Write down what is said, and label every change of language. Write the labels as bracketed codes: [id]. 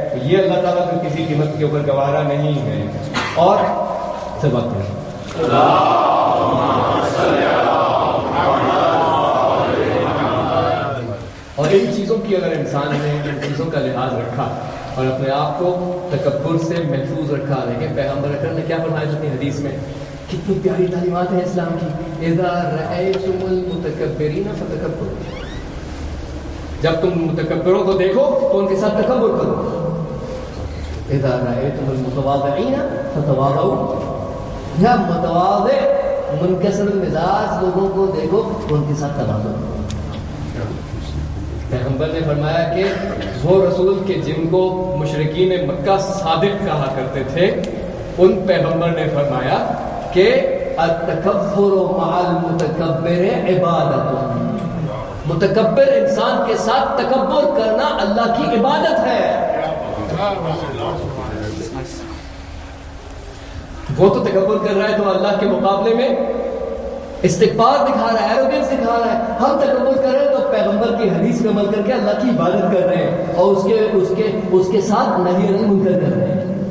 [ur] یہ اللہ تعالیٰ کو کسی قیمت کے اوپر گوارا نہیں ہے. اور سبق اور ان چیزوں کی اگر انسان نے ان چیزوں کا لحاظ رکھا اور اپنے آپ کو تکبر سے محفوظ رکھا. لیکن پیغمبر اکرم نے کیا فرمایا اپنی حدیث میں کتنی پیاری تعلیمات ہیں اسلام کی [ar] اذا رأیتم المتکبرین فتکبروا. [ur] جب تم متکبروں کو دیکھو تو ان کے ساتھ تکبر کرو. [ar] اذا رأیتم المتواضعین فتواضعوا. [ur] یا متواضع منکسر المزاج لوگوں کو دیکھو تو ان کے ساتھ تواضع. پیغمبر نے فرمایا کہ وہ رسول کے جن کو مشرکین مکہ صادق کہا کرتے تھے ان پیغمبر نے فرمایا کہ [ar] التکبر مع المتکبر عبادت. [ur] متکبر انسان کے ساتھ تکبر کرنا اللہ کی عبادت ہے. وہ تو تکبر کر رہا ہے تو اللہ کے مقابلے میں استکبار دکھا رہا ہے ایروگنس دکھا رہا ہے. ہم تکبر کر رہے ہیں تو پیغمبر کی حدیث پہ عمل کر کے اللہ کی عبادت کر رہے ہیں اور اس کے ساتھ نہیں رہے منکر کر رہے ہیں.